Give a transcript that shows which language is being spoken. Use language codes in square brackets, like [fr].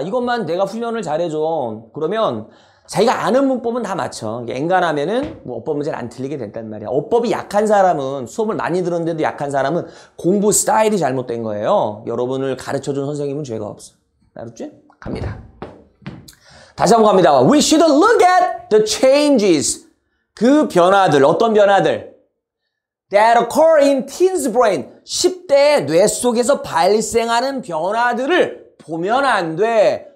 [ko] 이것만 내가 훈련을 잘해줘. 그러면 자기가 아는 문법은 다 맞춰. 엔간하면은 뭐 어법 문제는 안 틀리게 된단 말이야. 어법이 약한 사람은, 수업을 많이 들었는데도 약한 사람은 공부 스타일이 잘못된 거예요. 여러분을 가르쳐준 선생님은 죄가 없어. 알았지? 갑니다. 다시 한번 갑니다. [en] We should look at the changes. [ko] 그 변화들, 어떤 변화들? [en] That occur in teen's brain. [ko] 10대의 뇌 속에서 발생하는 변화들을 보면 안 돼.